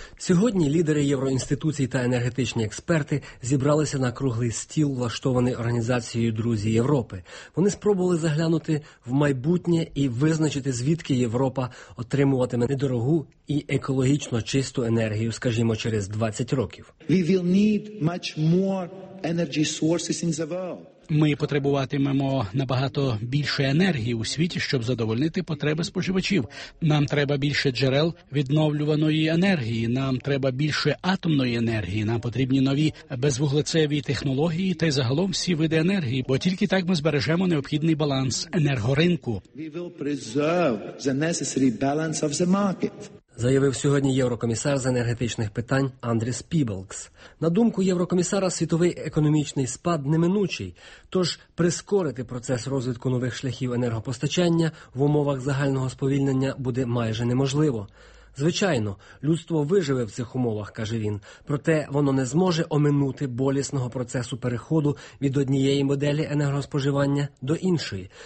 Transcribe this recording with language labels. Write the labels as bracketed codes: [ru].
[uk] Сьогодні лідери євроінституцій та енергетичні експерти зібралися на круглий стіл, влаштований організацією «Друзі Європи». Вони спробували заглянути в майбутнє і визначити, звідки Європа отримуватиме недорогу і екологічно чисту енергію, скажімо, через 20 років. [en] We will need much more energy sources in the world. [uk] Ми потребуватимемо набагато більше енергії у світі, щоб задовольнити потреби споживачів. Нам треба більше джерел відновлюваної енергії, нам треба більше атомної енергії, нам потрібні нові безвуглецеві технології та й загалом всі види енергії, бо тільки так ми збережемо необхідний баланс енергоринку. [en] We will preserve the necessary balance of the market. [uk] Заявив сьогодні єврокомісар з енергетичних питань Андріс Піблкс. На думку єврокомісара, світовий економічний спад неминучий, тож прискорити процес розвитку нових шляхів енергопостачання в умовах загального сповільнення буде майже неможливо. Звичайно, людство виживе в цих умовах, каже він, проте воно не зможе оминути болісного процесу переходу від однієї моделі енергоспоживання до іншої.